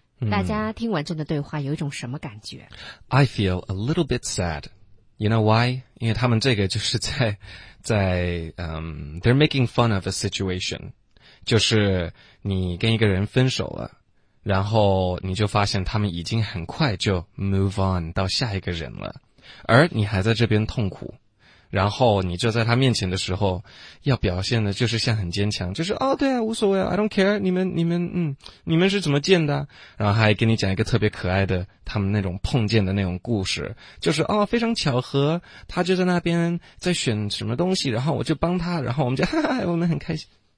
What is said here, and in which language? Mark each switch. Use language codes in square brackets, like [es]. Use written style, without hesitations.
[zh] 大家听完这段对话有一种什么感觉？ [en] I feel a little bit sad. You know why? [zh] 因为他们这个就是在 [en] they're making fun of a situation. [zh] 就是你跟一个人分手了，然后你就发现他们已经很快就 move on 到下一个人了，而你还在这边痛苦，然后你就在他面前的时候要表现的就是像很坚强，就是哦，对啊，无所谓啊， [en] I don't care， [zh] 你们是怎么见的，然后还给你讲一个特别可爱的他们那种碰见的那种故事，就是哦，非常巧合，他就在那边在选什么东西，然后我就帮他，然后我们就哈哈，我们很开心，